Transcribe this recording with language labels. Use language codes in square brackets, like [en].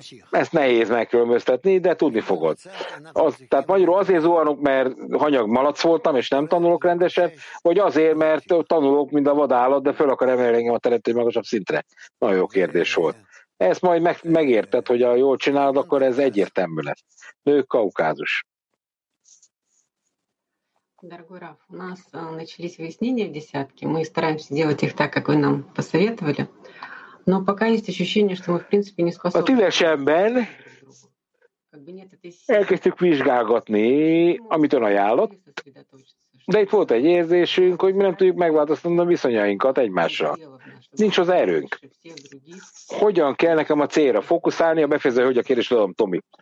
[hu] Ezt nehéz megkülönböztetni, de tudni fogod. Tehát magyarul azért zuhanok, mert hanyag malac voltam, és nem tanulok rendesen, vagy azért, mert tanulok, mint a vadállat, de föl akar emelni engem a teremtő magasabb szintre. Nagyon jó kérdés volt. Ezt majd megérted, hogy ha jól csinálod, akkor ez egyértelmű lesz. Nők Kaukázus. [ru] Дорогой Раф, у нас начались выяснения в десятке. Мы стараемся делать их так, как вы нам посоветовали. Но пока есть ощущение, что мы, в принципе, не способны. [hu] A tízesemben elkezdtük vizsgálgatni, amit ön ajánlott, de itt volt egy érzésünk, hogy mi nem tudjuk megváltoztatni a viszonyainkat egymással. Nincs az erőnk. Hogyan kell nekem a célra fókuszálni? A befejező, hogy a kérdést adom, Tomi.